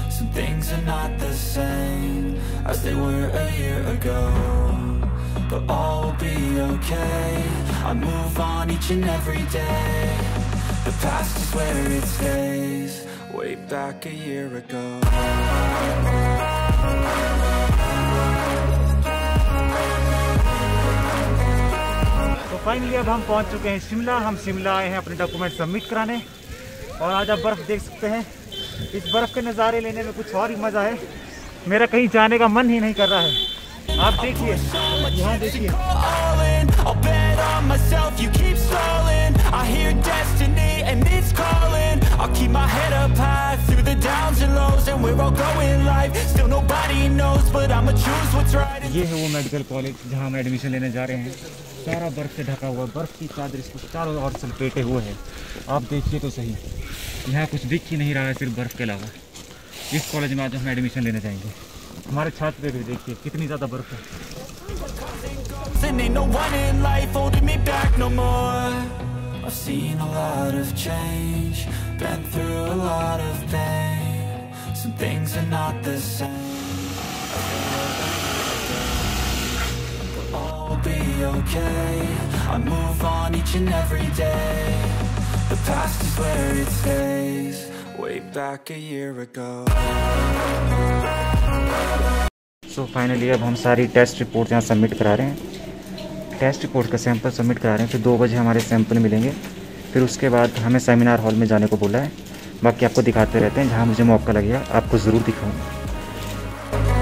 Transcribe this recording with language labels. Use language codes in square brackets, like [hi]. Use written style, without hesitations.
[en] Some things are not the same as they were a year ago. But all will be okay. I move on each and every day. The past is where it stays, way back a year ago. [hi] So finally, अब हम पहुंच चुके हैं शिमला। हम शिमला आए हैं अपने document submit कराने और आज आप बर्फ़ देख सकते हैं। इस बर्फ़ के नज़ारे लेने में कुछ और ही मज़ा है, मेरा कहीं जाने का मन ही नहीं कर रहा है। आप देखिए, यहाँ देखिए। [en] I'll bet on myself, you keep stalling. I hear destiny and it's calling. I'll keep my head up high through the downs and lows, and we're all going live. Still nobody knows, but I'ma choose what's right. [hi] ये है वो medical college जहाँ हम admission लेने जा रहे हैं। सारा बर्फ से ढका हुआ, बर्फ की चादर इसको चारों ओर से लपेटे हुए हैं। आप देखिए तो सही, यहाँ कुछ दिख ही नहीं रहा है सिर्फ बर्फ के अलावा। इस कॉलेज में आज हम एडमिशन लेने जाएंगे। हमारे छात्र पे भी देखिए कितनी ज़्यादा बर्फ है। [en] And ain't no one in life holding me back no more. I've seen a lot of change, been through a lot of pain. Some things are not the same. But all will be okay. I move on each and every day. The past is where it stays, way back a year ago. [hi] So finally, अब हम सारी test report यहाँ submit करा रहे हैं। Test report का sample submit करा रहे हैं, फिर 2 बजे हमारे सैंपल मिलेंगे। फिर उसके बाद हमें सेमिनार हॉल में जाने को बोला है। बाकी आपको दिखाते रहते हैं, जहाँ मुझे मौका लगेगा आपको ज़रूर दिखाऊंगा।